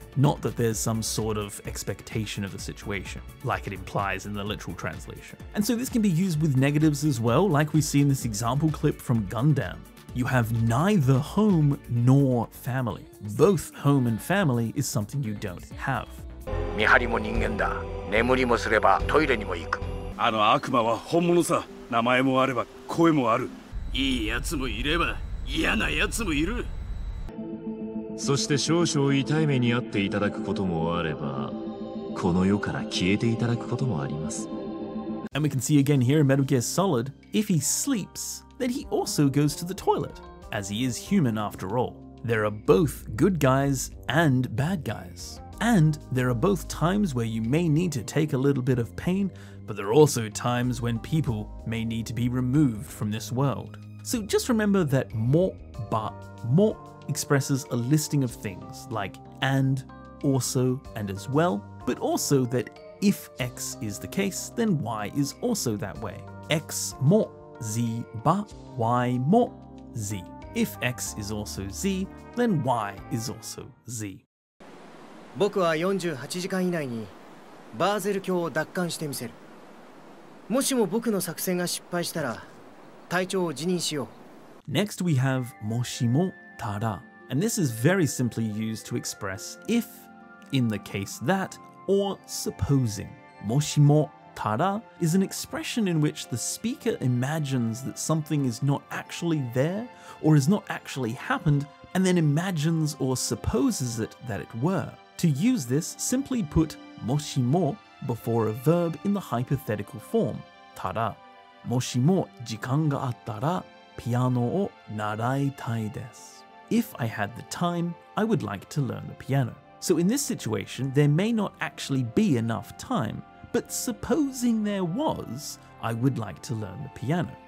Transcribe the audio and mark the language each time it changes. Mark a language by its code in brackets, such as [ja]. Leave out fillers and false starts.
[en] Not that there's some sort of expectation of the situation, like it implies in the literal translation. And so this can be used with negatives as well, like we see in this example clip from Gundam. You have neither home nor family. Both home and family is something you don't have. [ja] 見張りも人間だ。眠りもすればトイレにも行く。あの悪魔は本物さ。名前もあれば声もある。いいやつもいれば嫌なやつもいる。そして少々痛い目に遭っていただくこともあれば、この世から消えていただくこともあります。 [en] And we can see again here in Metal Gear Solid, if he sleeps, then he also goes to the toilet, as he is human after all. There are both good guys and bad guys. And there are both times where you may need to take a little bit of pain, but there are also times when people may need to be removed from this world. So just remember that もば、もExpresses a listing of things like and, also, and as well, but also that if X is the case, then Y is also that way. X mo z ba, Y mo z. If X is also z, then Y is also z. [ja] 僕は48時間以内にバーゼル峡を奪還してみせる。もしも僕の作戦が失敗したら、隊長を辞任しよう。 [en] Next we have もしもただ, and this is very simply used to express if, in the case that, or supposing. もしもただ is an expression in which the speaker imagines that something is not actually there or has not actually happened, and then imagines or supposes it that it were. To use this, simply put もしも before a verb in the hypothetical form, ただ. [ja] もしも時間があったらピアノを習いたいです。 [en] If I had the time, I would like to learn the piano. So in this situation, there may not actually be enough time, but supposing there was, I would like to learn the piano.